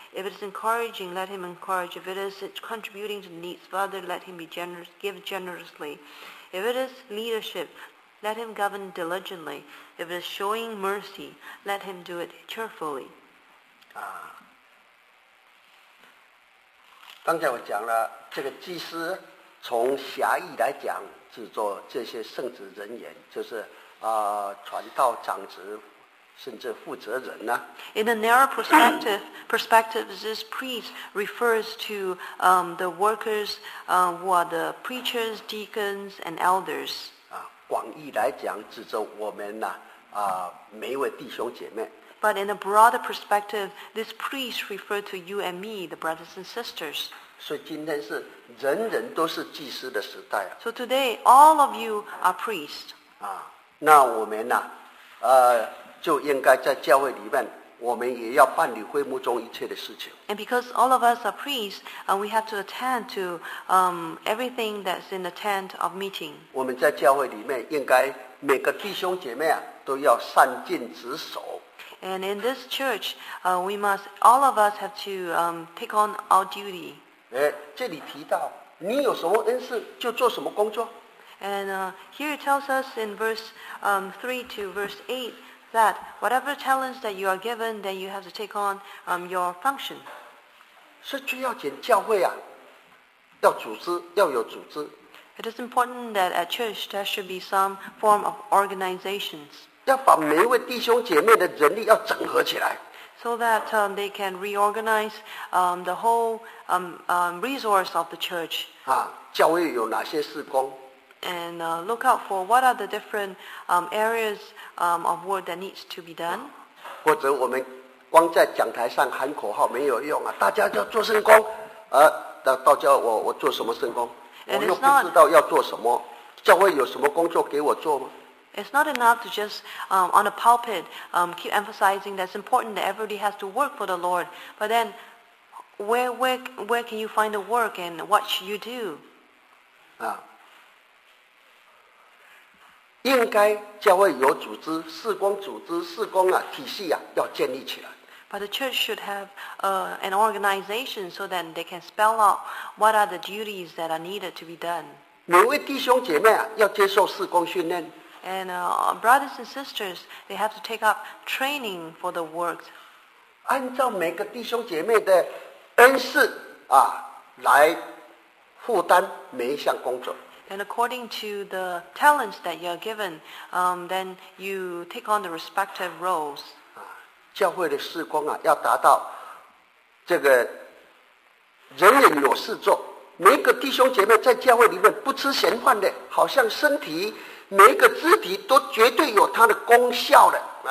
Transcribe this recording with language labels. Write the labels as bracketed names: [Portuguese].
[English] If it is encouraging, let him encourage. If it is contributing to the needs of others, let him be generous, give generously. If it is leadership, let him govern diligently. If it is showing mercy, let him do it cheerfully. [Chinese] 刚才我讲了，这个祭司从狭义来讲，制作这些圣职人员，就是传道、长职，甚至负责人呢。 [English] In a narrow perspective, this priest refers to the workers, who are the preachers, deacons, and elders. [Chinese] 广义来讲，指着我们呢，每一位弟兄姐妹。 [English] But in a broader perspective, this priest referred to you and me, the brothers and sisters. [Chinese] 所以今天是人人都是祭司的时代啊。 [English] So today, all of you are priests. [Chinese] 那我们呢，就应该在教会里面，我们也要办理会幕中一切的事情。 [English] And because all of us are priests, we have to attend to everything that's in the tent of meeting. [Chinese] 我们在教会里面应该每个弟兄姐妹啊都要善尽职守。 [English] And in this church, we must all of us have to take on our duty. [Chinese] 这里提到你有什么恩赐就做什么工作。 [English] And here it tells us in verse 3 to verse 8. That whatever talents that you are given, then you have to take on your function. [Chinese] 是最要紧教会啊，要组织，要有组织。 [English] It is important that at church there should be some form of organizations. [Chinese] 要把每一位弟兄姐妹的人力要整合起来。 [English] So that they can reorganize the whole resource of the church. [Chinese] 教会有哪些事工？ [English] And look out for what are the different areas of work that needs to be done. [Chinese] 或者我们光在讲台上喊口号没有用啊！大家要做圣工，到教会我做什么圣工？我又不知道要做什么，教会有什么工作给我做吗？ [English] It's not enough to just on a pulpit keep emphasizing that it's important that everybody has to work for the Lord. But then, where can you find the work and what should you do? [Chinese] 应该教会有组织，事工组织、事工啊体系啊要建立起来。 [English] But the church should have an organization so that they can spell out what are the duties that are needed to be done. [Chinese] 每位弟兄姐妹啊要接受事工训练。 [English] And brothers and sisters, they have to take up training for the work. [Chinese] 按照每个弟兄姐妹的恩赐啊来负担每一项工作。 [English] And according to the talents that you're given, then you take on the respective roles. [Chinese] 教会的事工啊，要达到这个人人有事做，每个弟兄姐妹在教会里面不吃闲饭的，好像身体每一个肢体都绝对有它的功效的，